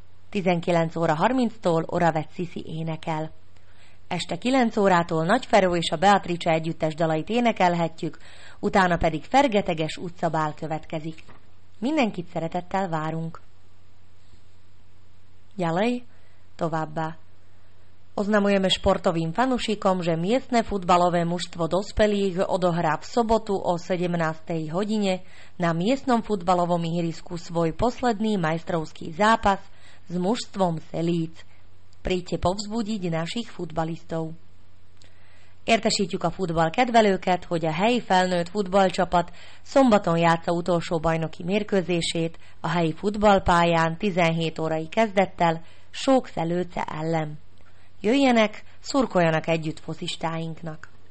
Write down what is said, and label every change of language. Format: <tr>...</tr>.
<hu>19 óra 30-tól Oravec Sisi énekel. Este 9 órától Nagy Feró és a Beatrice együttes dalait énekelhetjük, utána pedig Fergeteges utcabál következik. Mindenkit szeretettel várunk. Jalej, továbbá.</hu> <sk>Oznamujeme športovým fanúšikom, že miestne futbalové mužstvo dospelých odohrá v sobotu o 17. hodine na miestnom futbalovom ihrisku svoj posledný majstrovský zápas s mužstvom Selíc. Príďte povzbudiť našich futbalistov.</sk> <hu>Értesítjük a futball kedvelőket, hogy a helyi felnőtt futballcsapat szombaton játsza utolsó bajnoki mérkőzését a helyi futballpályán 17 órai kezdettel Sókszelőce ellen. Jöjjenek, szurkoljanak együtt focistáinknak.</hu>